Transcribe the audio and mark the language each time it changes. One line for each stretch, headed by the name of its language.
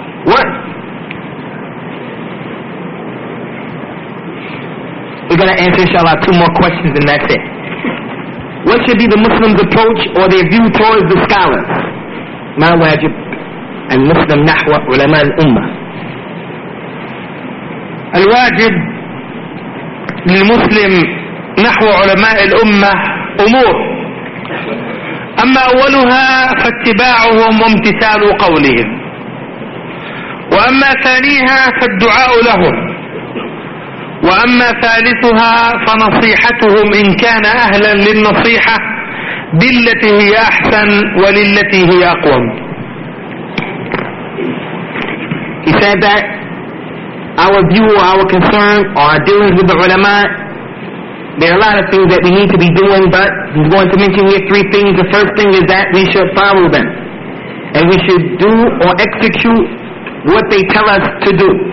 English: What? We're going to answer, inshallah, two more questions and that's it. What should be the Muslim's approach or their view towards the scholars?
Arabic: ما واجب المسلم نحو علماء الأمة؟ الواجب للمسلم نحو علماء الأمة أمور. أما أولها فاتباعهم وامتثال قولهم. وأما ثانيها فالدعاء لهم. وأما ثالثها فنصيحتهم إن كان أهلا للنصيحة بالتي هي أحسن وللتي هي أقوم.
English: He said that our view or our concern or our dealings with the ulama, there are a lot of things that we need to be doing, but he's going to mention here three things. The first thing is that we should follow them and we should do or execute what they tell us to do.